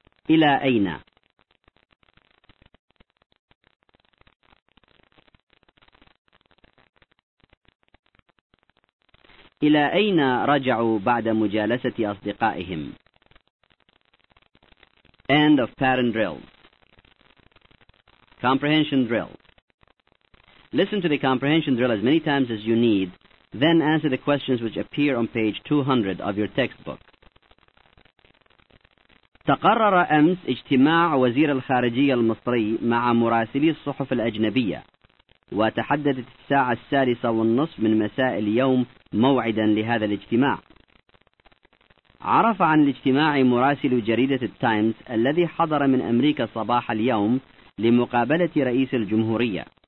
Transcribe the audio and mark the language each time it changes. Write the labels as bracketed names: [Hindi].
[Arabic] إلى أين؟ إلى أين رجعوا بعد مجالسة أصدقائهم؟ [English] End of pattern drill. Comprehension drill. Listen to the comprehension drill as many times as you need, then answer the questions which appear on page 200 of your textbook. [Arabic] تقرر أمس اجتماع وزير الخارجية المصري مع مراسلي الصحف الأجنبية، وتحددت الساعة 6:30 من مساء اليوم موعدا لهذا الاجتماع. عرف عن الاجتماع مراسل جريدة التايمز الذي حضر من أمريكا صباح اليوم لمقابلة رئيس الجمهورية.